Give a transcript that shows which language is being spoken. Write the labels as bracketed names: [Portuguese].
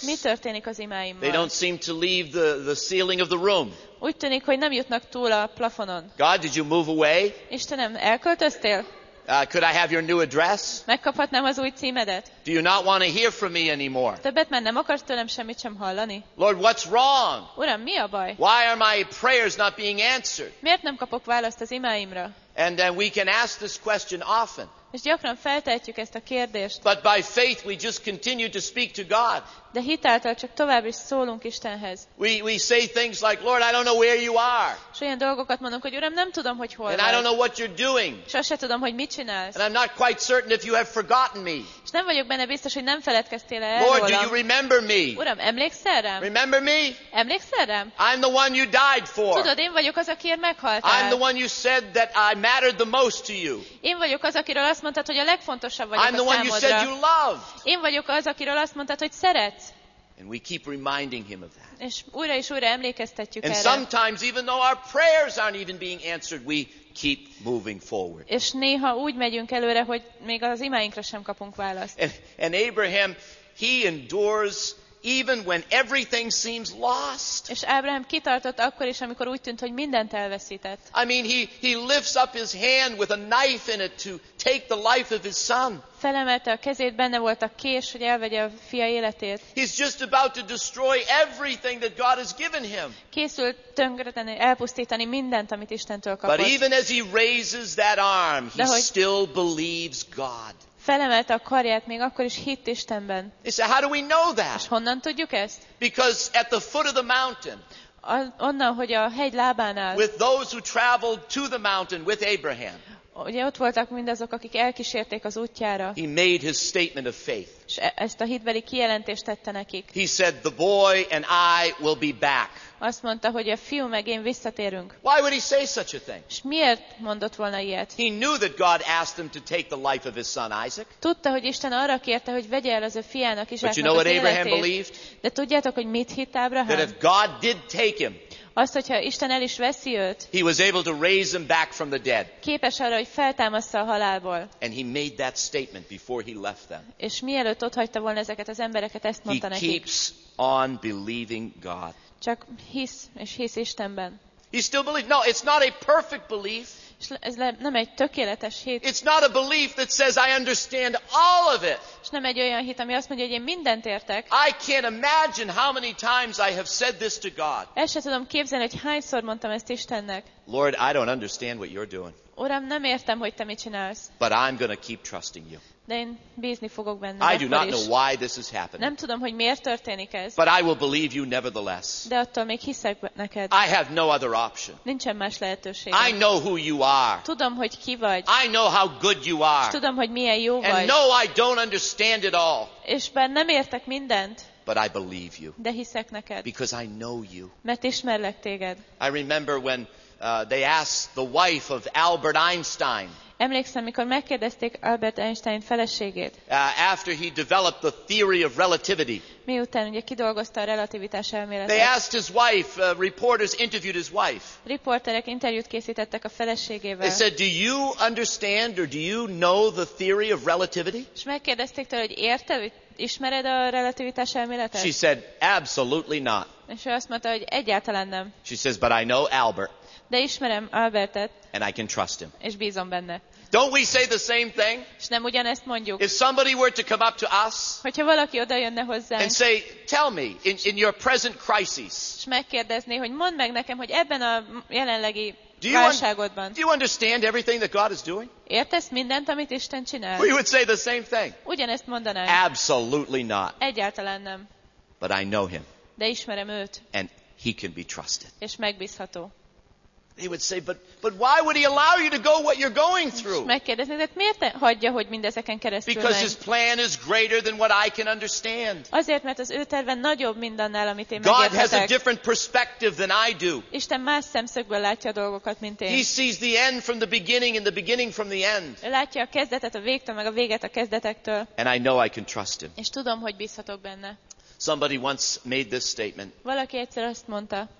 [Hungarian] Mi történik az imáimmal? [English] They don't seem to leave the ceiling of the room. [Hungarian] Úgy tűnik, hogy nem jutnak túl a plafonon. [English] God, did you move away? [Hungarian] Istenem, elköltöztél? [English] Could I have your new address? [Hungarian] Megkaphatnám az új címedet? [English] Do you not want to hear from me anymore? [Hungarian] Többet már nem akarsz tőlem semmit sem hallani? [English] Lord, what's wrong? [Hungarian] Uram, mi a baj? [English] Why are my prayers not being answered? [Hungarian] Miért nem kapok választ az imáimra? [English] And then we can ask this question often. [Hungarian] És gyakran feltehetjük ezt a kérdést. [English] But by faith we just continue to speak to God. [Hungarian] De hitáltal csak tovább is szólunk Istenhez. [English] We say things like, Lord, I don't know where you are. [Hungarian] És olyan dolgokat mondunk, hogy Uram, nem tudom, hogy hol vagy. [English] And I don't know what you're doing. [Hungarian] És azt sem tudom, hogy mit csinálsz. [English] And I'm not quite certain if you have forgotten me. [Hungarian] És nem vagyok benne biztos, hogy nem feledkeztél el rólam. [English] Lord, do you remember me? [Hungarian] Uram, emlékszel rám? [English] Remember me? [Hungarian] Emlékszel rám? [English] I'm the one you died for. [Hungarian] Tudod, én vagyok az, akiért meghaltál. [English] I'm the one you said that I mattered the most to you. [Hungarian] Én vagyok az, akiről azt mondtad, hogy a legfontosabb vagyok számodra. [English] I'm the one you said you loved. [Hungarian] Én vagyok az, akiről azt mondtad, hogy szeret. [English] And we keep reminding him of that. [Hungarian] És újra és újra emlékeztetjük erre. [English] And sometimes even though our prayers aren't even being answered, we keep moving forward. [Hungarian] És néha úgy megyünk előre, hogy még az imáinkra sem kapunk választ. [English] And Abraham, he endures even when everything seems lost. [Hungarian] És Ábrahám kitartott akkor is, amikor úgy tűnt, hogy mindent elveszített. [English] I mean, he lifts up his hand with a knife in it to take the life of his son. [Hungarian] Felemelte a kezét, benne volt a kés, hogy elvegye a fia életét. [English] He's just about to destroy everything that God has given him. [Hungarian] Készült tönkretenni, elpusztítani mindent, amit Istentől kapott. [English] But even as he raises that arm, he still believes God. [Hungarian] Felemelte a karját, még akkor is hitt Istenben. [English] How do we know that? [Hungarian] És honnan tudjuk ezt? [English] Because at the foot of the mountain. [Hungarian] Onnan, hogy a hegy lábán áll. [English] With those who traveled to the mountain with Abraham. [Hungarian] Ugye ott voltak mindazok, akik elkísérték az útjára. [English] He made his statement of faith. [Hungarian] És ezt a hitbeli kijelentést tette nekik. [English] He said, the boy and I will be back. [Hungarian] Azt mondta, hogy a fiú meg én visszatérünk. [English] Why would he say such a thing? [Hungarian] És miért mondott volna ilyet? [English] He knew that God asked him to take the life of his son Isaac. [Hungarian] Tudta, hogy Isten arra kérte, hogy vegye el az ő fiának Izsáknak az életét. [English] But you know what Abraham believed? [Hungarian] De tudjátok, hogy mit hitt Ábrahám? [English] That if God did take him, [Hungarian] azt, hogyha Isten el is veszi őt, [English] he was able to raise him back from the dead. [Hungarian] Képes arra, hogy feltámassza a halálból. [English] And he made that statement before he left them. [Hungarian] És mielőtt otthagyta volna ezeket az embereket, ezt mondta nekik. [English] He keeps on believing God. [Hungarian] Csak hisz, és hisz Istenben. [English] He still believes. No, it's not a perfect belief. [Hungarian] Ez nem egy tökéletes hit. [English] It's not a belief that says I understand all of it. [Hungarian] És nem egy olyan hit, ami azt mondja, hogy én mindent értek. [English] I can't imagine how many times I have said this to God. [Hungarian] El sem tudom képzelni, hogy hányszor mondtam ezt Istennek. [English] Lord, I don't understand what you're doing. [Hungarian] Uram, nem értem, hogy te mit csinálsz. [English] But I'm going to keep trusting you. [Hungarian] De én bízni fogok benned. [English] I do not know why this is happening. [Hungarian] Nem tudom, hogy miért történik ez. [English] But I will believe you nevertheless. [Hungarian] De attól még hiszek neked. [English] I have no other option. [Hungarian] Nincsen más lehetőség. [English] I know who you are. [Hungarian] Tudom, hogy ki vagy. [English] I know how good you are. [Hungarian] Tudom, hogy milyen jó vagy. [English] And no, I don't understand it all. [Hungarian] És bár nem értek mindent. [English] But I believe you. [Hungarian] De hiszek neked. [English] Because I know you. [Hungarian] Mert ismerlek téged. [English] I remember when they asked the wife of Albert Einstein. [Hungarian] Emlékszem, amikor megkérdezték Albert Einstein feleségét. [English] After he developed the theory of relativity. [Hungarian] Miután ugye kidolgozta a relativitás elméletet. [English] They asked his wife, reporters interviewed his wife. [Hungarian] Riporterek interjút készítettek a feleségével. [English] They said, do you understand or do you know the theory of relativity? [Hungarian] És megkérdezték tőle, hogy érted, ismered a relativitás elméletet? [English] She said, absolutely not. [Hungarian] És ő azt mondta, hogy egyáltalán nem. [English] She says, but I know Albert. [Hungarian] De ismerem Albertet. [English] And I can trust him. [Hungarian] És bízom benne. [English] Don't we say the same thing? [Hungarian] És nem ugyanezt mondjuk. [English] If somebody were to come up to us. [Hungarian] Hogyha valaki odajönne hozzánk. [English] And say, tell me in your present crisis. [Hungarian] És megkérdezné, hogy mondd meg nekem, hogy ebben a jelenlegi válságodban. [English] Do you understand everything that God is doing? [Hungarian] Értesz mindent, amit Isten csinál? [English] We would say the same thing. [Hungarian] Ugyanezt mondanánk. [English] Absolutely not. [Hungarian] Egyáltalán nem. [English] But I know him. [Hungarian] De ismerem őt. [English] And he can be trusted. [Hungarian] És megbízható. [English] He would say, but why would he allow you to go what you're going through? [Hungarian] Megkérdezni, de miért hagyja, hogy mindezeken keresztül menj? [English] Because his plan is greater than what I can understand. [Hungarian] Azért, mert az ő terve nagyobb mindannál, amit én megérthetek. [English] God has a different perspective than I do. [Hungarian] Isten más szemszögből látja a dolgokat, mint én. [English] He sees the end from the beginning and the beginning from the end. [Hungarian] Ő látja a kezdetet a végtől, meg a véget a kezdetektől. [English] And I know I can trust him. [Hungarian] És tudom, hogy bízhatok benne. [English] Somebody once made this statement. [Hungarian] Valaki egyszer azt mondta.